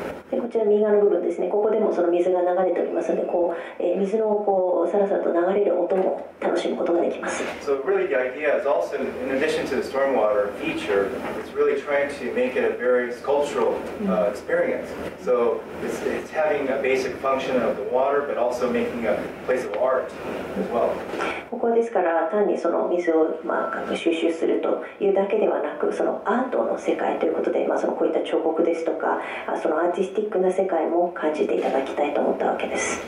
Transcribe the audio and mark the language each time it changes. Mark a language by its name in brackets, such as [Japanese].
[Japanese] でこちら右側の部分ですね、ここでもその水が流れておりますので、こう、水のこうサラサラと流れる音も楽しむことができます。 [English] So really the idea is also in addition to the stormwater feature, it's really trying to make it a very sculptural experience. So it's having a basic function of the water, but also making a place of art as well. [Japanese] ここですから単にその水を収集するというだけではなく、そのアートの世界ということで、そのこういった彫刻ですとか、そのアーティストスティックな世界も感じていただきたいと思ったわけです。